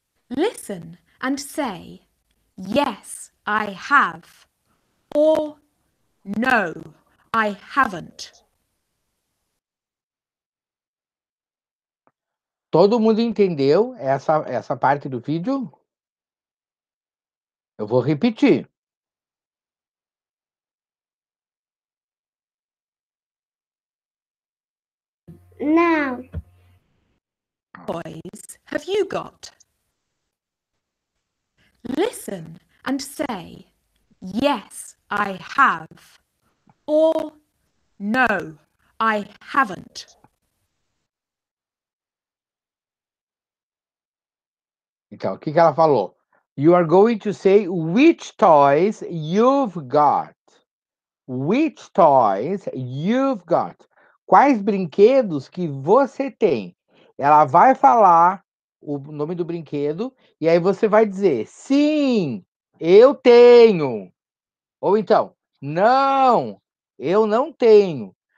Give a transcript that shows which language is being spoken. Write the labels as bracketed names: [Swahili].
[English] Listen and say, yes, I have, or no, I haven't. [Portuguese] Todo mundo entendeu essa parte do vídeo? Eu vou repetir. Não. [English] Boys, have you got? Listen and say, yes, I have, or no, I haven't. [Portuguese] Então, o que ela falou? [English] You are going to say which toys you've got. Which toys you've got. [Portuguese] Quais brinquedos que você tem? Ela vai falar o nome do brinquedo, e aí você vai dizer, sim, eu tenho. Ou então, não, eu não tenho.